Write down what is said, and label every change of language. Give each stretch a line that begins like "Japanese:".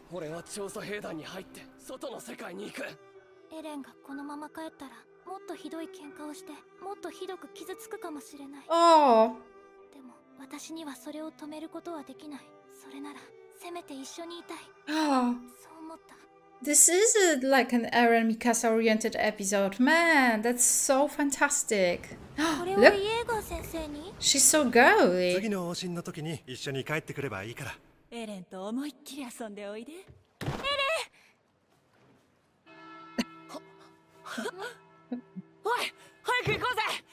Japanese: 俺は調査兵団に入って外の世界に行く。エレンがこのまま帰ったらもっとひどい喧嘩をしてもっとひどく傷つくかもしれない。ああ。でも私にはそれを止めることはできない。それならせめて一緒にいたい。ああ。そう思った。
English: This is a, like an Eren Mikasa oriented episode. Man, that's so fantastic.
Japanese: これをイエーガー先生に。
English: She's so girly.
Japanese: 次の往診の時に一緒に帰ってくればいいから。エレンと思いっきり遊んでおいで。エレン。おい、早く行こうぜ。